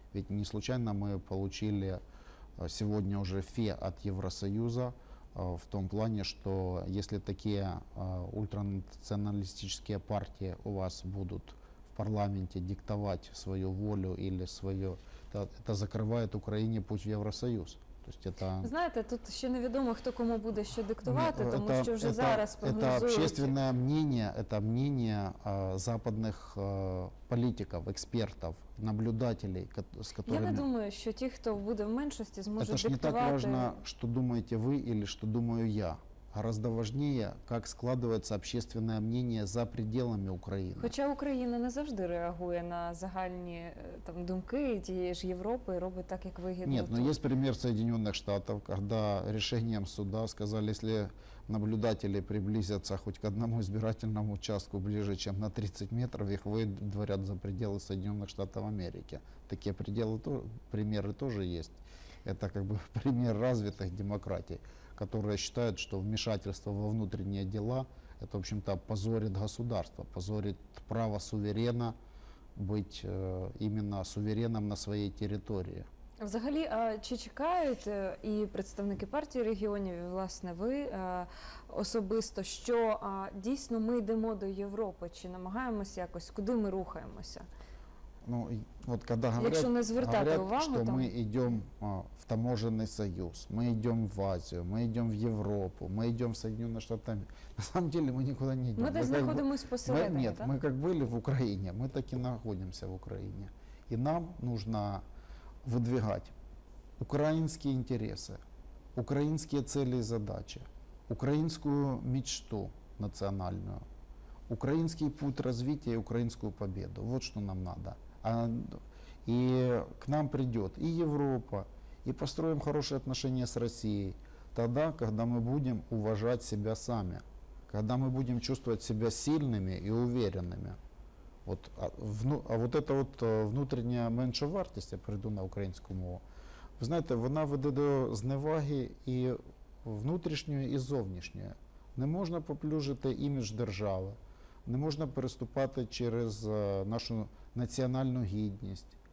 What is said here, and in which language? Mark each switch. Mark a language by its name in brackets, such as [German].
[Russian] Ведь не случайно мы получили сегодня уже фе от Евросоюза, в том плане, что если такие ультранационалистические партии у вас будут в парламенте диктовать свою волю или свое, это закрывает Украине путь в Евросоюз. То есть это... Знаете, [Ukrainian] тут [Russian] еще [Ukrainian] невідомо, хто кому буде що диктувати, тому [Russian] это, [Ukrainian] що вже зараз прогнозують. Це [Russian] общественне мнение, [Ukrainian] це [Russian] мнение [Ukrainian] западних політиків, експертів, [Russian] наблюдателей, [Ukrainian] з [Russian] которыми... [Ukrainian] Я не думаю, що ті, хто буде в меншості, зможуть диктувати... Це ж не так важно, що думаєте ви или що думаю я. [Russian] Гораздо важнее, как складывается общественное мнение за пределами Украины. [Ukrainian] Хотя Украина не завжди реагує на загальні там думки тієї ж Європи, робить так, як вигідно. [Russian] Нет, но есть пример Соединенных Штатов, когда решением суда сказали, если наблюдатели приблизятся хоть к одному избирательному участку ближе, чем на 30 метров, их выдворят за пределы Соединенных Штатов Америки. Такие пределы, примеры тоже есть. Это как бы пример развитых демократий, которые считают, что вмешательство во внутренние дела, это, в общем-то, позорит государство, позорит право суверена быть именно сувереном на своей территории. [Ukrainian] Взагалі, а чи чекають і представники партії регіонів, і, власне, ви особисто, що дійсно ми йдемо до Європи, чи намагаємося якось, куди ми рухаємося? [Russian] Ну, вот когда говорят, [Ukrainian] если не звертати [Russian] говорят [Ukrainian] увагу, [Russian] что там... мы идем в таможенный союз, мы идем в Азию, мы идем в Европу, мы идем в Соединенные Штаты, на самом деле мы никуда не идем. Мы даже находимся посередине, да? Нет, мы как были в Украине, мы так и находимся в Украине. И нам нужно выдвигать украинские интересы, украинские цели и задачи, украинскую мечту национальную, украинский путь развития и украинскую победу. Вот что нам надо. И к нам придет и Европа, и построим хорошие отношения с Россией тогда, когда мы будем уважать себя сами, когда мы будем чувствовать себя сильными и уверенными. Вот, а вот эта вот внутренняя [Ukrainian] меншовартість, я перейду на українську мову, ви знаєте, вона веде до зневаги і внутрішньої, і зовнішньої. Не можна поплюжити імідж держави, не можна переступати через нашу національну гідність.